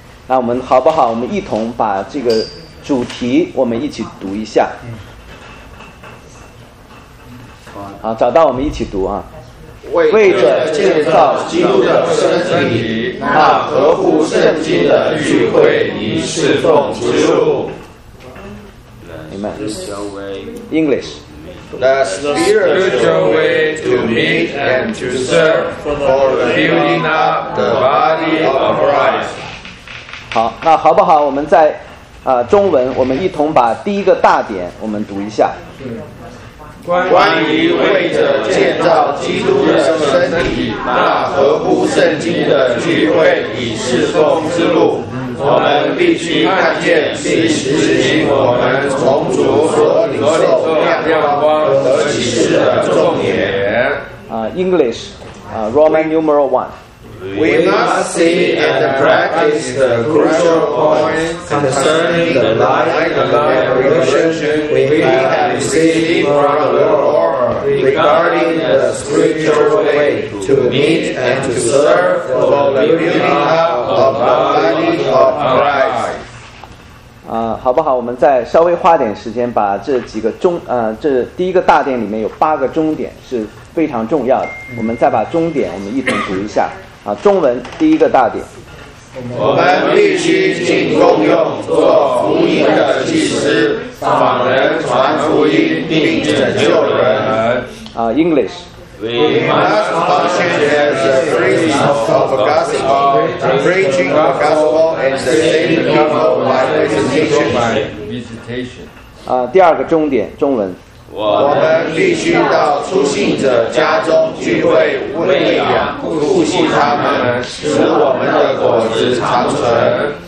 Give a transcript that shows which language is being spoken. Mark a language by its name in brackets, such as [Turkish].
[Chinese] 那我们好不好？我们一同把这个主题，我们一起读一下。好，找到我们一起读啊。为着建造基督的身体，那合乎圣经的聚会与侍奉之路。 [English] Amen. English. That's the spiritual way to meet and to serve for the building up the body of Christ. [Chinese] 好，那好不好？我们在中文，我们一同把第一个大点我们读一下。关于为着建造基督的身体，那合乎圣经的聚会与侍奉之路，我们必须看见并实行我们从主所领受亮光和启示的重点。 [English] English, Roman numeral one. We must see and practice the crucial points concerning the life and the revelation we have received from the Lord regarding the spiritual way to meet and to serve for the building up of the body of Christ. [Chinese] 好不好？我们再稍微花点时间，把这几个中这第一个大点里面有八个中点是非常重要的。我们再把中点我们一同读一下啊。中文第一个大点，我们必须尽功用做福音的祭司，访人传福音并拯救人。 [English] English。 We must function as a priest of the gospel, the preaching of the gospel, and the saving of people by visitation. [Chinese] 第二个重点，中文。我们必须到出信者家中聚会，喂养、顾惜他们，使我们的果子长存。